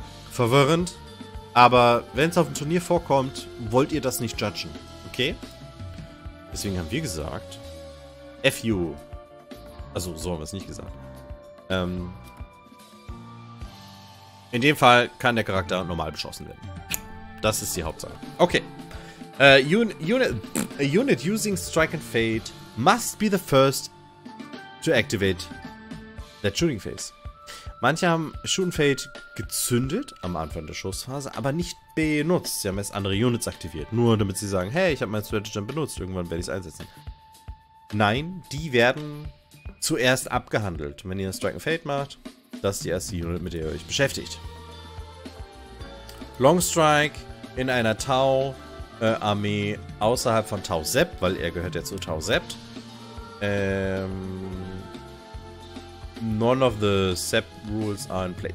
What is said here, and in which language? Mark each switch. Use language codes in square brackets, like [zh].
[de] Verwirrend, aber wenn es auf dem Turnier vorkommt, wollt ihr das nicht judgen. Okay, deswegen haben wir gesagt, F you. Also so haben wir es nicht gesagt. In dem Fall kann der Charakter normal beschossen werden. Das ist die Hauptsache. [en] Okay, a unit using Strike and Fade must be the first to activate that shooting phase. [de] Manche haben Shoot and Fade gezündet am Anfang der Schussphase, aber nicht benutzt. Sie haben erst andere Units aktiviert, nur damit sie sagen, hey, ich habe meinen Strategy benutzt, irgendwann werde ich es einsetzen. Nein, die werden zuerst abgehandelt. Wenn ihr Strike and Fade macht, das ist die erste Unit, mit der ihr euch beschäftigt. Long Strike in einer Tau-Armee außerhalb von Tau Zep, weil er gehört ja zu Tau Zep. [en] None of the SEP rules are in play.